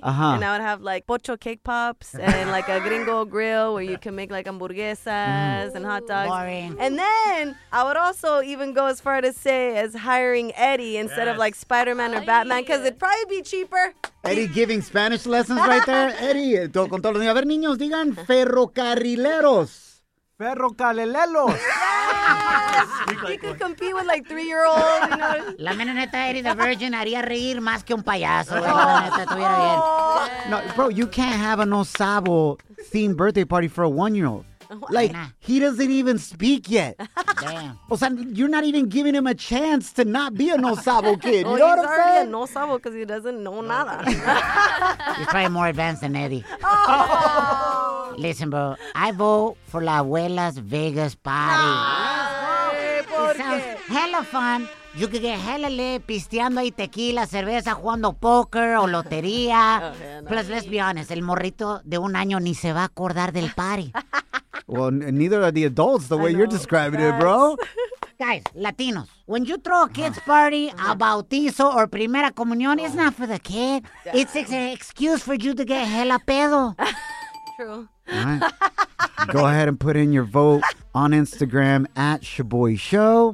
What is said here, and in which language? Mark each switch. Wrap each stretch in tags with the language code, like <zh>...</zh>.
<en>Uh-huh. And I would have like pocho cake pops and like a gringo grill where you can make like hamburguesas and hot dogs. Boring. And then I would also even go as far to say as hiring Eddie instead of like Spider-Man or Batman because it'd probably be cheaper. Eddie giving Spanish lessons right there.</en> <es>Eddie, con todos los niños. A ver, niños, digan ferrocarrileros. Ferrocarrileros.</es> <en>Yes. You could compete with like 3-year-olds, you know.</en> <es>La mera neta, Eddie the Virgin haría reír más que un payaso. La mera neta, estuviera bien. Yeah.</es> <en>No, bro, you can't have a No Sabo themed birthday party for a 1-year-old. Like, he doesn't even speak yet. Damn.</en> <es>O sea,</es> <en>you're not even giving him a chance to not be a No Sabo kid. You well, know what I'm saying? He's already a No Sabo because he doesn't know nada. He's probably more advanced than Eddie. Oh. Listen, bro, I vote for La Abuela's Vegas party. It sounds hella fun. You could get hella lit</en> <es>pisteando ahí tequila, cerveza, jugando poker o lotería.</es> <en>Oh, plus, let's be honest,</en> <es>el morrito de un año ni se va a acordar del party.</es> <en>Well, neither are the adults, the way you're describing it, bro. guys, Latinos, when you throw a kid's party, a bautizo, or primera comunión, it's not for the kid. Yeah. It's an excuse for you to get hella pedo. True. Right. Go ahead and put in your vote on Instagram at Shaboy Show.</en>